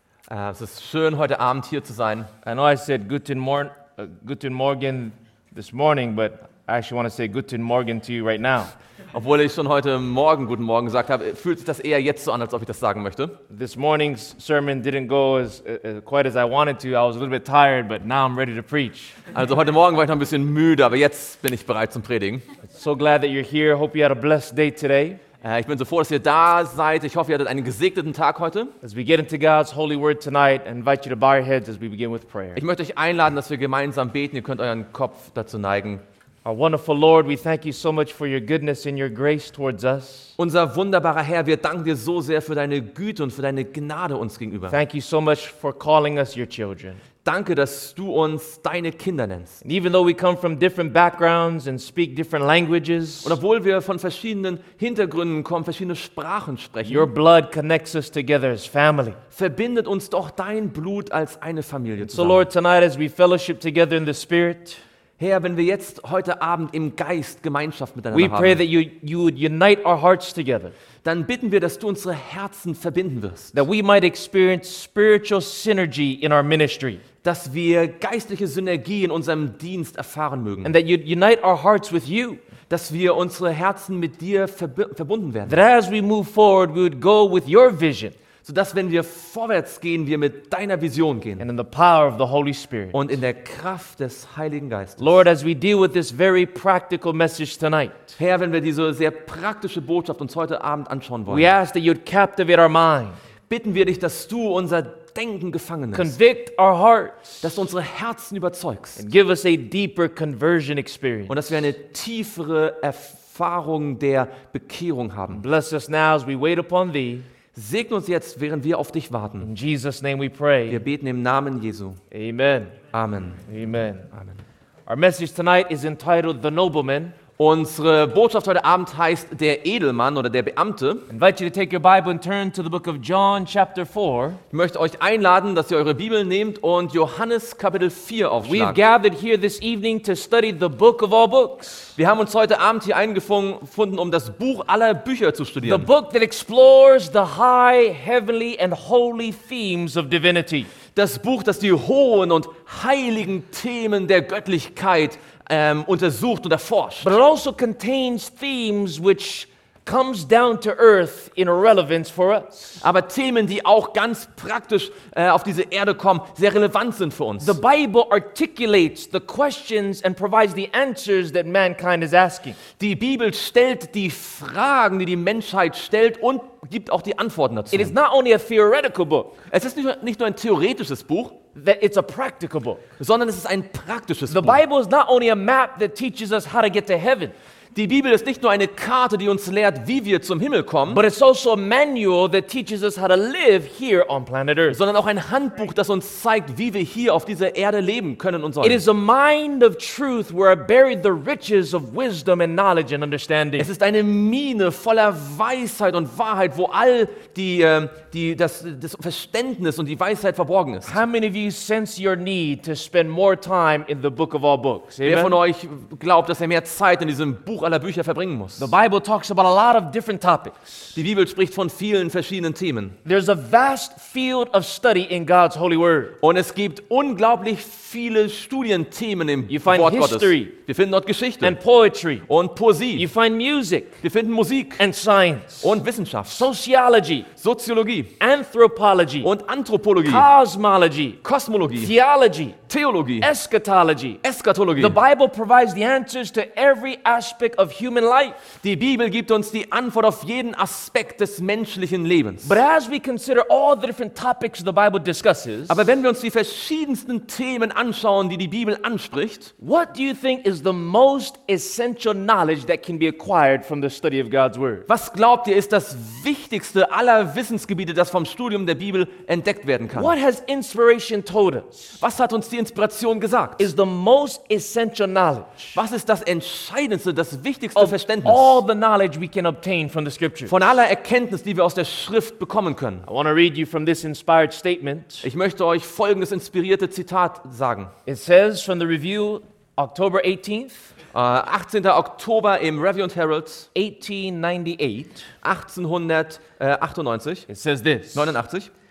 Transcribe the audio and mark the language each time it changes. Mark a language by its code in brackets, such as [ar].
[de] Es ist schön, heute Abend hier zu sein. [en] I know I said [de] guten Morgen [en] this morning, but I actually want to say guten Morgen to you right now. [de] Obwohl ich schon heute Morgen guten Morgen gesagt habe, fühlt sich das eher jetzt so an, als ob ich das sagen möchte. [en] This morning's sermon didn't go quite as I wanted to. I was a little bit tired, but now I'm ready to preach. [de] Also heute Morgen war ich noch ein bisschen müde, aber jetzt bin ich bereit zum Predigen. [en] So glad that you're here. Hope you had a blessed day today. [de] Ich bin so froh, dass ihr da seid. Ich hoffe, ihr hattet einen gesegneten Tag heute. [en] As we get into God's holy word tonight, I invite you to bow your heads as we begin with prayer. [de] Ich möchte euch einladen, dass wir gemeinsam beten. Ihr könnt euren Kopf dazu neigen. [en] Our wonderful Lord, we thank you so much for your goodness and your grace towards us. [de] Unser wunderbarer Herr, wir danken dir so sehr für deine Güte und für deine Gnade uns gegenüber. [en] Thank you so much for calling us your children. [de] Danke, dass du uns deine Kinder nennst. [en] And even though we come from different backgrounds and speak different languages, [de] und obwohl wir von verschiedenen Hintergründen kommen, verschiedene Sprachen sprechen, [en] your blood connects us together as family. [de] Verbindet uns doch dein Blut als eine Familie zusammen. [en] So Lord, tonight as we fellowship together in the Spirit, [de] Herr, wenn wir jetzt heute Abend im Geist Gemeinschaft miteinander [en] we pray [de] haben, [en] that you would unite our hearts together, [de] dann bitten wir, dass du unsere Herzen verbinden wirst. [en] That we might experience spiritual synergy in our ministry. [de] Dass wir geistliche Synergie in unserem Dienst erfahren mögen. [en] And that you unite our hearts with you. [de] Dass wir unsere Herzen mit dir verbunden werden. [en] That as we move forward, we would go with your vision. [de] So dass wenn wir vorwärts gehen, wir mit deiner Vision gehen. [en] And in the power of the Holy Spirit. [de] Und in der Kraft des Heiligen Geistes. [en] Lord, as we deal with this very practical message tonight. [de] Herr, wenn wir diese sehr praktische Botschaft uns heute Abend anschauen wollen. [en] We ask that you'd captivate our mind. [de] Bitten wir dich, dass du unser Denken gefangen nimmst. [en] Convict our hearts. [de] Dass du unsere Herzen überzeugst. [en] And give us a deeper conversion experience. [de] Und dass wir eine tiefere Erfahrung der Bekehrung haben. [en] Bless us now as we wait upon thee. [de] Segne uns jetzt, während wir auf dich warten. [en] In Jesus' name we pray. [de] Wir beten im Namen Jesu. [en] Amen. [de] Amen. [en] Amen. Amen. Our message tonight is entitled The Nobleman. [de] Unsere Botschaft heute Abend heißt Der Edelmann oder der Beamte. [en] I invite you to take your Bible and turn to the book of John chapter 4. [de] Ich möchte euch einladen, dass ihr eure Bibel nehmt und Johannes Kapitel 4 aufschlagt. [en] We've gathered here this evening to study the book of all books. [de] Wir haben uns heute Abend hier eingefunden, um das Buch aller Bücher zu studieren. [en] The book that explores the high, heavenly and holy themes of divinity. [de] Das Buch, das die hohen und heiligen Themen der Göttlichkeit untersucht und erforscht. [en] But it also contains themes which comes down to earth in relevance for us. [de] Aber Themen, die auch ganz praktisch auf diese Erde kommen, sehr relevant sind für uns. [en] The Bible articulates the questions and provides the answers that mankind is asking. [de] Die Bibel stellt die Fragen, die die Menschheit stellt und gibt auch die Antworten dazu. [en] It is not only a theoretical book. [de] Es ist nicht nur ein theoretisches Buch. [en] That it's a practical book. [de] Sondern es ist ein praktisches Buch. [en] The Bible is not only a map that teaches us how to get to heaven. [de] Die Bibel ist nicht nur eine Karte, die uns lehrt, wie wir zum Himmel kommen, [en] but it's also a manual that teaches us how to live here on planet Earth. [de] Sondern auch ein Handbuch, das uns zeigt, wie wir hier auf dieser Erde leben können und sollen. [en] It is a mine of truth where are buried the riches of wisdom and knowledge and understanding. [de] Es ist eine Mine voller Weisheit und Wahrheit, wo all das Verständnis und die Weisheit verborgen ist. [en] How many of you sense your need to spend more time in the book of all books? [de] Amen? Wer von euch glaubt, dass er mehr Zeit in diesem Buch aller Bücher verbringen muss? [en] The Bible talks about a lot of different topics. [de] Die Bibel spricht von vielen verschiedenen Themen. [en] There's a vast field of study in God's holy word. [de] Und es gibt unglaublich viele Studienthemen im [en] you find [de] Wort [en] history, [de] Gottes. Wir finden dort Geschichte. [en] And poetry. [de] Und Poesie. [en] You find music. [de] Wir finden Musik. [en] And science. [de] Und Wissenschaft. [en] Sociology. [de] Soziologie. [en] Anthropology. [de] Und Anthropologie. [en] Cosmology. [de] Kosmologie. [en] Theology. [de] Theologie. [en] Eschatology. [de] Eschatologie. [en] The Bible provides the answers to every aspect of human life. [de] Die Bibel gibt uns die Antwort auf jeden Aspekt des menschlichen Lebens. [en] But as we consider all the different topics the Bible discusses, [de] aber wenn wir uns die verschiedensten Themen anschauen, die Bibel anspricht, [en] what do you think is the most essential knowledge that can be acquired from the study of God's word? [de] Was glaubt ihr ist das wichtigste aller Wissensgebiete, das vom Studium der Bibel entdeckt werden kann? [en] What has inspiration told us? [de] Was hat uns die Inspiration gesagt? [en] Is the most essential knowledge. [de] Was ist das Entscheidendste, das Wichtigste Verständnis? [en] All the knowledge we can obtain from the Scriptures. [de] Von aller Erkenntnis, die wir aus der Schrift bekommen können. [en] I want to read you from this inspired statement. [de] Ich möchte euch folgendes inspirierte Zitat sagen. [en] It says from the Review, October 18th. [de] 18. Oktober im Review and Herald [en] 1898.